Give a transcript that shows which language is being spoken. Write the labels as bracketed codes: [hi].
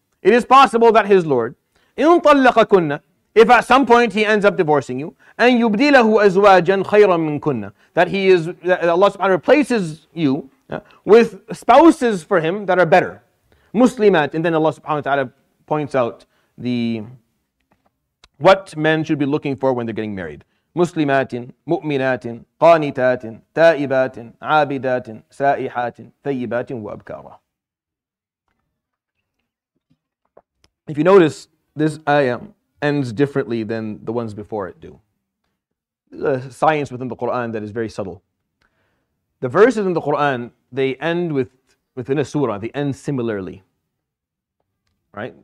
[en] It is possible that his Lord, [ar] إن طلقكن, [en] if at some point he ends up divorcing you, [ar] أن يبدله أزواجا خيرا منكن, [en] that Allah subhanahu wa ta'ala replaces you with spouses for him that are better. Muslimat. And then Allah subhanahu wa ta'ala points out the what men should be looking for when they're getting married. [ar] مسلمات مؤمنات قانتات تائبات عابدات سائحات ثيبات وأبكارا. [en] If you notice, this ayah ends differently than the ones before it do. The science within the Quran that is very subtle. The verses in the Quran, they end within a surah, they end similarly. Right?